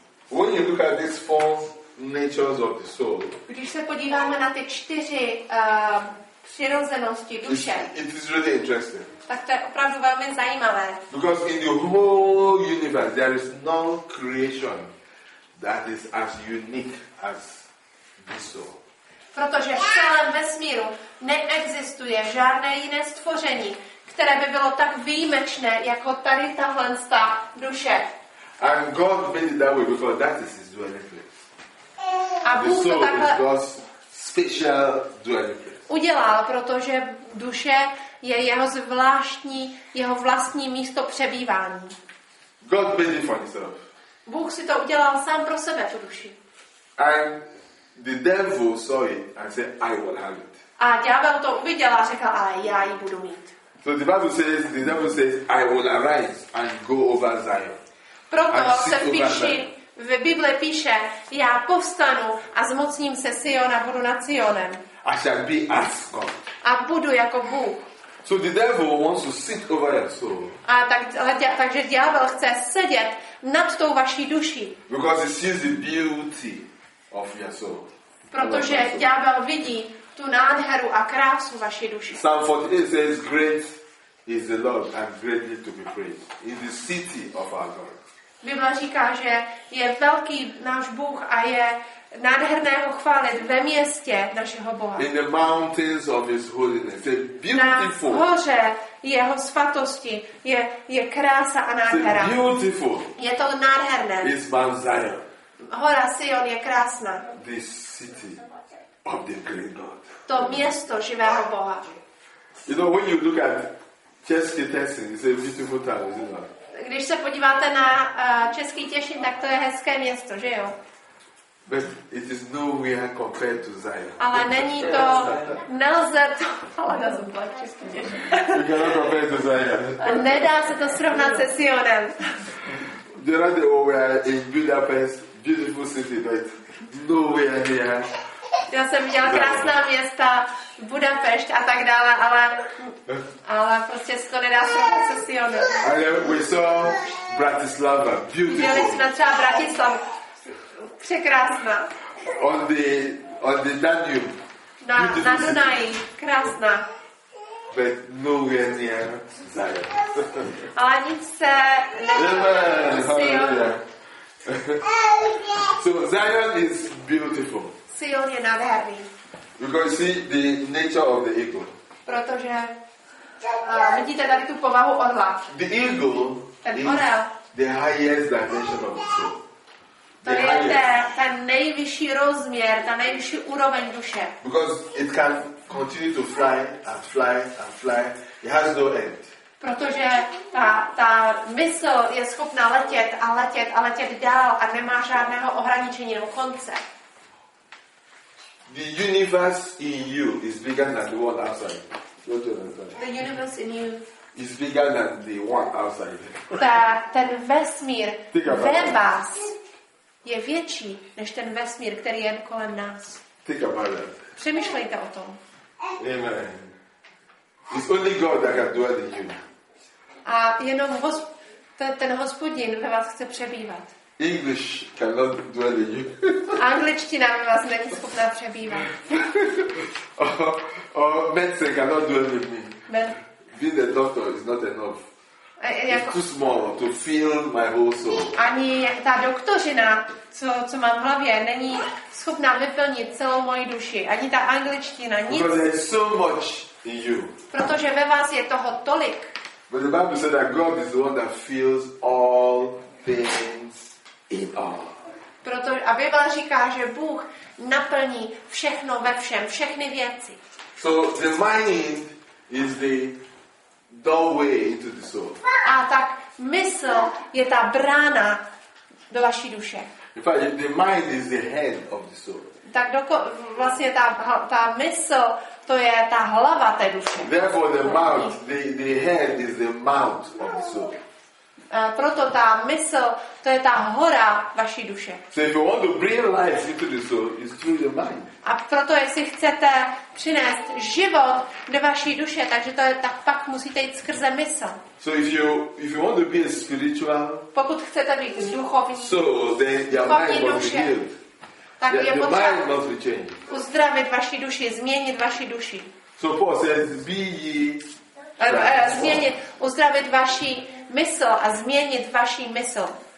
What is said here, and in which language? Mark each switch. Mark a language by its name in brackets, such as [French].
[English] When you look at these four natures of the soul, [Czech] když se podíváme na ty čtyři přirozenosti duše, [English] it is really interesting. [Czech] Tak to je opravdu velmi zajímavé. [English] Because in the whole universe, there is no creation that is as unique as this soul. [Czech] Protože v celém vesmíru neexistuje žádné jiné stvoření, které by bylo tak výjimečné jako tady tahle ta duše. [English] And God made it that way because that is His dwelling place. The soul is God's special dwelling place. [Czech] Udělal, protože duše je jeho zvláštní, jeho vlastní místo přebývání. [English] God made it for Himself. [Czech] Bůh si to udělal sám pro sebe, tu duši. [English] And the devil saw it and said, "I will have it." [Czech] A ďábel to uviděl a řekl, "A já ji budu mít." [English] So the Bible says, the devil says, I will arise and go over Zion. [Czech] Proto se píše, v Bible píše, já povstanu a zmocním se Siona, budu nad Sionem. [English] I shall be as God. [Czech] A budu jako Bůh. [English] So the devil wants to sit over your soul. [Czech] A takže ďábel chce sedět nad tou vaší duší. [English] Because he sees the beauty of your soul. [Czech] Protože ďábel vidí tu nádheru a krásu vaší duši. [English] Psalm 48 says, great is the Lord and greatly to be praised. In the city of our God. [Czech] Bible říká, že je velký náš Bůh a je nádherné ho chválit ve městě našeho Boha. [English] In the mountains of His holiness. A beautiful. [Czech] Na hoře jeho svatosti je krása a nádhera. [English] Beautiful. [Czech] Je to nádherné. [English] It's Mount Zion. [Czech] Hora Sion je krásná. [English] This city of the great God. [Czech] To město živého Boha. [English] You know, when you look at Český Těšín, it's a beautiful town, isn't it? [Czech] Když se podíváte na Český Těšín, tak to je hezké město, že jo? [English] But it is nowhere compared to Zion. [Czech] Ale není to, nelze to, ale já jsem byla Český Těšín. [English] You cannot compare to Zion. [Czech] Nedá se to srovnat se Sionem. [English] There are the way in Budapest, beautiful city, but nowhere near. [Czech] Já jsem viděla krásná města, Budapešť a tak dále, ale prostě se to nedá srovnat se Sionem. [English] We saw Bratislava, beautiful. [Czech] Viděli jsme třeba Bratislavu. Překrásná. [English] On the Danube. [Czech] na Dunaji. Krásna. [English] But no we are near Zion. [Czech] Ale nic se [English] So Zion is beautiful. [Czech] Sion je nádherný. [English] Because see the nature of the eagle. [Czech] Protože vidíte tady tu povahu orla. [English] The eagle. [Czech] Ten orel. [English] The highest dimension of the soul. [Czech] To je ten nejvyšší rozměr, ta nejvyšší úroveň duše. [English] Because it can continue to fly and fly and fly. It has no end. [Czech] Protože ta mysl je schopná letět a letět a letět dál a nemá žádného ohraničení nebo konce. [English] The universe in you is bigger than the world outside. The universe in you is bigger than the one outside. [Czech] Ten vesmír ve vás je větší než ten vesmír, který je kolem nás. [English] Think about that. [Czech] Přemýšlejte o tom. [English] Amen. It's only God that can dwell in you. [Czech] A jenom ten Hospodin ve vás chce přebývat. [English] English cannot dwell in you. [Czech] Angličtina ve vás není schopná přebývat. [English] Or medicine cannot dwell in me. Being a doctor is not enough. It's too small to fill my whole soul. [Czech] Ani ta doktořina, co mám v hlavě, není schopná vyplnit celou moji duši. Ani ta angličtina, nic. [English] Because there's so much in you. [Czech] Protože ve vás je toho tolik. [English] But the Bible said that God is the one that fills all things in all. [Czech] Proto a Bible říká, že Bůh naplní všechno ve všem, všechny věci. [English] So the mind is the doorway into the soul. [Czech] A tak mysl je ta brána do vaší duše. [English] In fact, the mind is the head of the soul. [Czech] Tak vlastně ta mysl, to je ta hlava té duše. [English] Therefore the mouth, the head is the mouth of the soul. [Czech] Proto ta mysl, to je ta hora vaší duše. [English] So if you want to bring life into the soul, it's through the mind. [Czech] A proto jestli chcete přinést život do vaší duše, takže to je tak pak musíte jít skrze mysl. [English] So if you want to be a spiritual, [Czech] pokud chcete být duchovní, [English] so then your mind must be healed. [Czech] Tak je potřeba uzdravit vaši duši, změnit vaši duši. [English] So Paul says, be ye [Czech] Změnit, uzdravit vaši mysl a změnit vaši mysl.